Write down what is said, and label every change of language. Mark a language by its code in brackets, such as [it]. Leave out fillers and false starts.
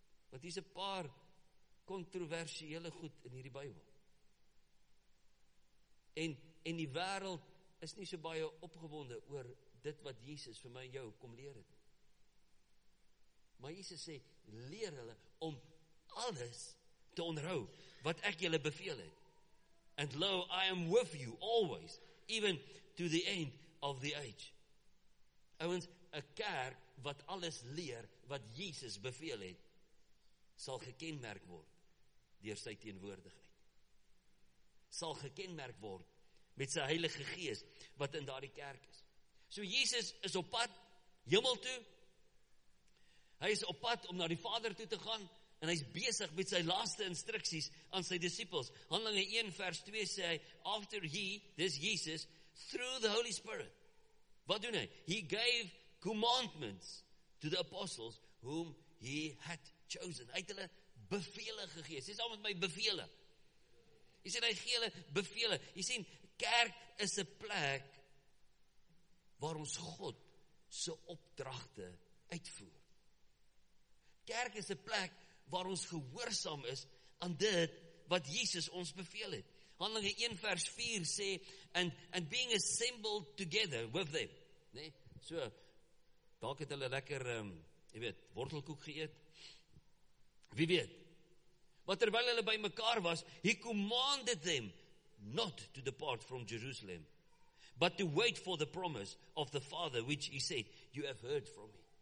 [af] Want hier is een paar controversiële goed in hierdie Bybel. En die wereld is nie so baie opgewonde oor dit wat Jesus vir my en jou kom leer het. Maar Jesus sê, leer hulle om alles te onthou wat ek julle beveel het. [en] And lo, I am with you always, even to the end of the age. [af] Ouens, 'n kerk wat alles leer wat Jesus beveel het, sal gekenmerk word deur sy teenwoordigheid. Sal gekenmerk word met sy Heilige Gees wat in daardie kerk is. So Jesus is op pad hemel toe. Hy is op pad om na die Vader toe te gaan en hy is besig met sy laaste instruksies aan sy disciples. Handelinge 1 vers 2 sê hy, [en] after he, this Jesus, through the Holy Spirit. [af] Wat doen hy? [en] He gave commandments to the apostles whom he had chosen. [af] Hy het hulle bevele gegee. Sê saam met my bevele. Hy sê, hy gee hulle bevele. Hy sê, kerk is 'n plek waar ons God se opdragte uitvoer. Kerk is 'n plek waar ons gehoorsaam is aan dit wat Jesus ons beveel het. Handelinge 1 vers 4 sê, [en] and being assembled together with them, [af] nee, so, dalk het hulle lekker, jy weet, wortelkoek geëet, wie weet, maar terwyl hulle by mekaar was, [en] he commanded them not to depart from Jerusalem, but to wait for the promise of the Father, which he said, you have heard from me.